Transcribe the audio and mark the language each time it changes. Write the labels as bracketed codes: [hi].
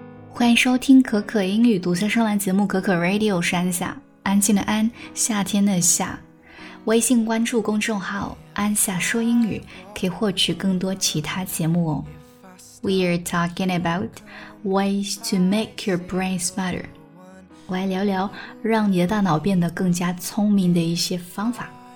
[zh] 欢迎收听可可英语读三声兰节目，可可 Radio 是安夏，安静的安，夏天的夏。微信关注公众号安夏说英语，可以获取更多其他节目哦。 [en] We are talking about ways to make your brain smarter. [zh] 我来聊聊让你的大脑变得更加聪明的一些方法。